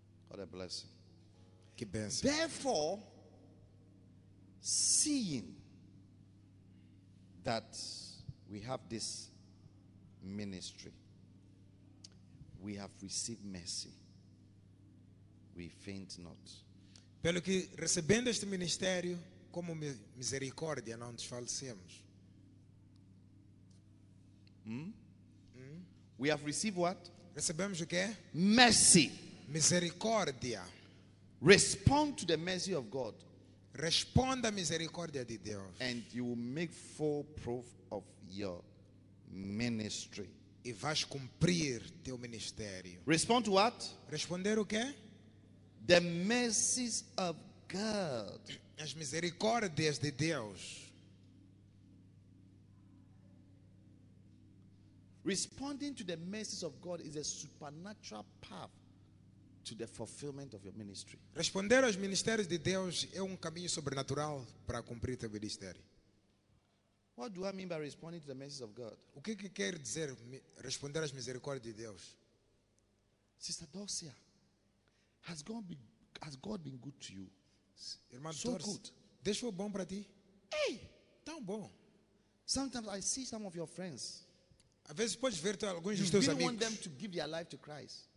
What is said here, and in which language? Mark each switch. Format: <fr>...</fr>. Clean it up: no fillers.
<en>God a blessing.</en> <pt>Que bênção.</pt> <en>Therefore, seeing that we have this ministry, we have received mercy. We faint not.</en> <pt>Pelo que recebendo este ministério, como misericórdia, não desfalecemos.</pt> <en>We have received what?</en> <pt>Recebemos o quê?</pt> <en>Mercy.</en> <pt>Misericórdia.</pt> <en>Respond to the mercy of God.</en> <pt>Responda à misericórdia de Deus.</pt> <en>And you will make full proof of your ministry.</en> <pt>E vais cumprir teu ministério.</pt> <en>Respond to what?</en> <pt>Responder o quê?</pt> <en>The mercies of God.</en> <pt>As misericórdias de Deus.</pt> <en>Responding to the mercies of God is a supernatural path to the fulfillment of your ministry.</en> <pt>Responder aos ministérios de Deus é caminho sobrenatural para cumprir teu ministério.</pt> <en>What do I mean by responding to the mercies of God?</en> <pt>O que quer dizer responder às misericórdias de Deus?</pt> <en>Sister Dorcia, has God been good to you?</en> <pt>Irmã</pt> <en>so</en> <pt>Dorcia,</pt> <en>good.</en> <pt>Deus foi bom para ti?</pt> <en>Hey,</en> <pt>tão bom.</pt> <en>Sometimes I see some of your friends.</en> <pt>Às vezes podes ver alguns</pt> <en>you</en> <pt>dos teus amigos.</pt> <en>You want them to give their life to Christ.</en>